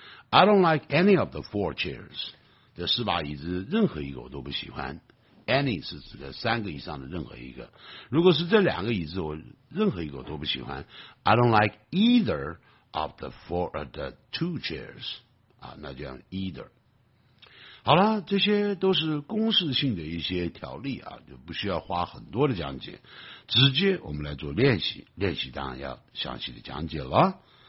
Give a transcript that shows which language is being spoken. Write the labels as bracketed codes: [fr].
[en] I don't like any of the four chairs. [zh] 这四把椅子任何一个我都不喜欢。Any 是指的三个以上的任何一个。如果是这两个椅子，我任何一个我都不喜欢。 [en] I don't like either of the four of the two chairs. [zh] 啊，那就叫 either。好了，这些都是公式性的一些条例啊，就不需要花很多的讲解，直接我们来做练习。练习当然要详细的讲解了。